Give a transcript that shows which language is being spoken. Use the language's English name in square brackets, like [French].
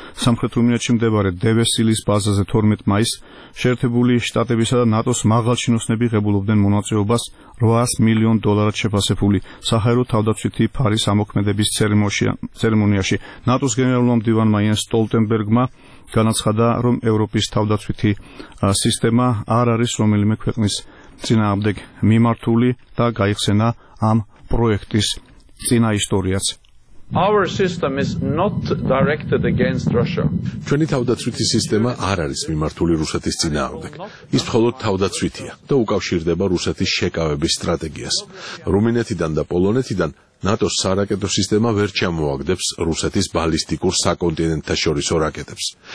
[Georgian] სამხრეთ რუმინეთში მდებარე დევესილის ბაზაზე 12 მაისს შეერთებული შტატებისა და ნატოს მაღალჩინოსნები ღებულობდნენ მონაწილეობას $800 მილიონად შეფასებული საჰაერო თავდაცვითი ფარის ამოქმედების ცერემონიაში. ნატოს გენერალურმა მდივანმა იენს სტოლტენბერგმა განაცხადა, რომ ევროპის თავდაცვითი სისტემა არ არის რომელიმე ქვეყნის წინააღმდეგ მიმართული და გაიხსენა ამ პროექტის წინაისტორიაც. [English] Our system is not directed against Russia. [Georgian] ჩვენი თავდაცვითი სისტემა არ არის მიმართული რუსეთის წინააღმდეგ. ის მხოლოდ თავდაცვითია და უკავშირდება რუსეთის შეკავების სტრატეგიას. რუმინეთიდან და პოლონეთიდან ნატოს სარაკეტო სისტემა ვერ ჩამოაგდებს რუსეთის ბალისტიკურ საკონტინენტთა შორისო რაკეტებს.